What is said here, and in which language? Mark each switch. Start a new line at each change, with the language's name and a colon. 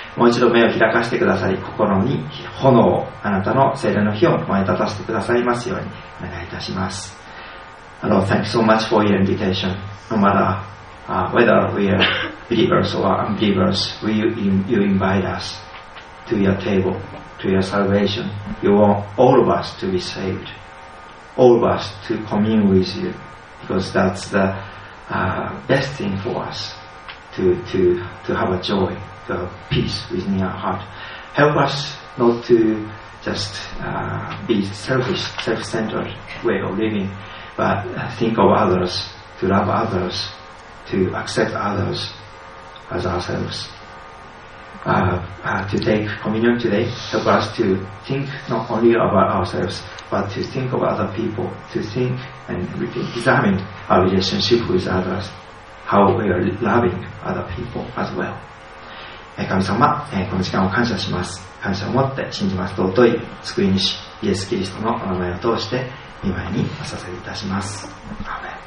Japanese: もう一度目を開かせてくださり、心に炎を、あなたの聖霊の火を燃え立たせてくださいますようにお願いいたします。
English: Hello, thank you so much for your invitation. No matter、whether we are believers or unbelievers, you invite us to your table, to your salvation. You want all of us to be saved, all of us to commune with you, because that's theBest thing for us to have a joy, a peace within our heart. Help us not to just be selfish, self-centered way of living, but think of others, to love others, to accept others as ourselves. to take communion today help us to think not only about ourselves but to think of other people to think and examine our relationship with others how we are loving other people as well
Japanese: 神様、この時間を感謝します感謝を持って信じます尊い救い主イエス・キリストのお名前を通して御前にお捧げいたします。アーメン。